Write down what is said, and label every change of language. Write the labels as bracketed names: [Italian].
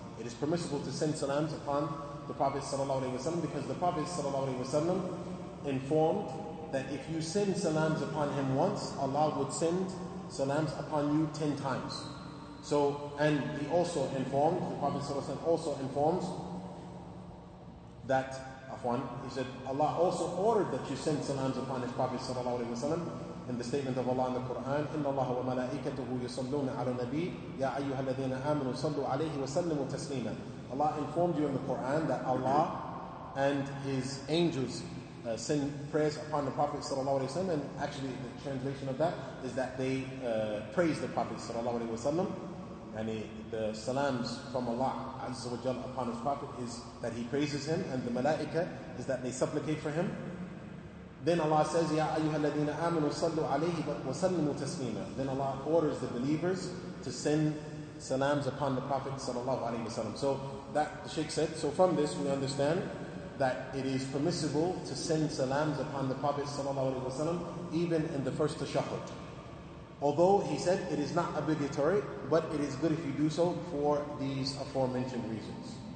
[English] It is permissible to send salams upon the Prophet Sallallahu Alaihi Wasallam, because the Prophet Sallallahu Alaihi Wasallam informed that if you send salams upon him once, Allah would send salams upon you 10 times. So, and he also informed, the Prophet Sallallahu Alaihi Wasallam also informs that, afwan, he said, Allah also ordered that you send salams upon his Prophet Sallallahu Alaihi Wasallam. In the statement of Allah in the Quran, [Arabic] إِنَّ اللَّهَ وَمَلَائِكَتُهُ يُصَلُّونَ عَلَى النَّبِيِّ يَا أَيُّهَا الَّذِينَ آمَنُوا صَلُّوا عَلَيْهِ وَسَلِّمُوا تَسْلِيمًا. [English] Allah informed you in the Quran that Allah and His angels send prayers upon the Prophet sallallahu alaihi wasallam, and actually the translation of that is that they praise the Prophet sallallahu alaihi wasallam, and the salams from Allah azza wa jalla upon His Prophet is that He praises Him, and the malaika is that they supplicate for Him. Then Allah says, [Arabic] يَا أَيُّهَا الَّذِينَ آمَنُوا صَلُّوا عَلَيْهِ وَسَلِّمُوا تَسْلِيمًا. [English] Then Allah orders the believers to send salams upon the Prophet ﷺ. So that, the Shaykh said, so from this we understand that it is permissible to send salams upon the Prophet sallallahu alaihi wasallam even in the first tashahhud. Although he said it is not obligatory, but it is good if you do so for these aforementioned reasons.